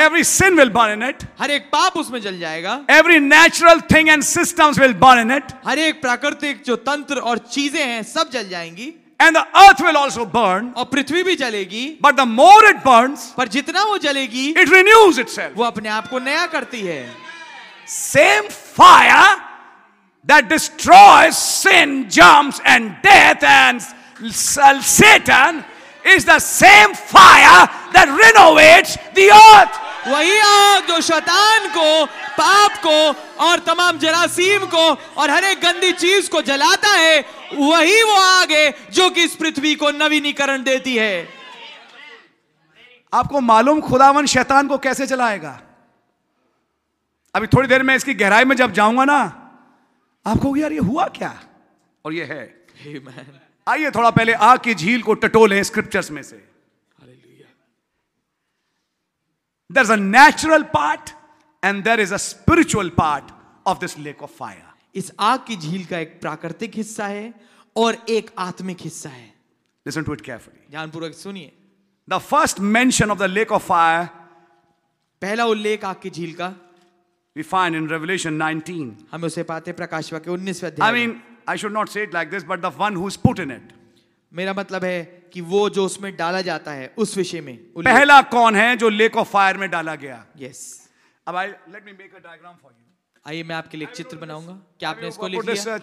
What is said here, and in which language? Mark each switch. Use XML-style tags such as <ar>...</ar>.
<en>Every sin will burn in it.</en> <hi>हर एक पाप उसमें जल जाएगा.</hi> <en>Every natural thing and systems will burn in it.</en> <hi>हर एक प्राकृतिक जो तंत्र और चीजें हैं सब जल जाएंगी.</hi> <en>And the earth will also burn.</en> <hi>और पृथ्वी भी जलेगी.</hi> <en>But the more it burns,</en> <hi>पर जितना वो जलेगी,</hi> <en>it renews itself.</en> <hi>वो अपने आप को नया करती है.</hi> <en>Same fire that destroys sin, germs, and death and Satan is the same fire that renovates the earth.</en> <hi>वही आग जो शैतान को, पाप को और तमाम जरासीम को और हर एक गंदी चीज को जलाता है. वही वो आग है जो कि इस पृथ्वी को नवीनीकरण देती है. आपको मालूम खुदावन शैतान को कैसे जलाएगा? अभी थोड़ी देर में इसकी गहराई में जब जाऊंगा ना आपको यार ये हुआ क्या और ये है. आइए थोड़ा पहले आग की झील को टटोलें स्क्रिप्चर्स में से.</hi> <en>There's a natural part and there is a spiritual part of this lake of fire.</en> <hi>इस आग की झील का एक प्राकृतिक हिस्सा है और एक आत्मिक हिस्सा है.</hi> <en>Listen to it carefully.</en> <hi>ध्यानपूर्वक सुनिए.</hi> <en>The first mention of the lake of fire.</en> <hi>पहला उल्लेख आग की झील का.</hi> <en>We find in Revelation 19.</en> <hi>हम उसे पाते प्रकाशवाक्य 19वें अध्याय.</hi> <en>I mean, I should not say it like this, but the one who's put in it.</en> <hi>मेरा मतलब है कि वो जो उसमें डाला जाता है उस विषय में. पहला कौन है जो</hi> <en>lake of fire</en> <hi>में डाला गया?</hi> <en>Yes. अब I let me make a diagram for you.</en> <hi>आइए मैं आपके लिए चित्र बनाऊंगा. क्या आपने इसको लिख लिया?</hi>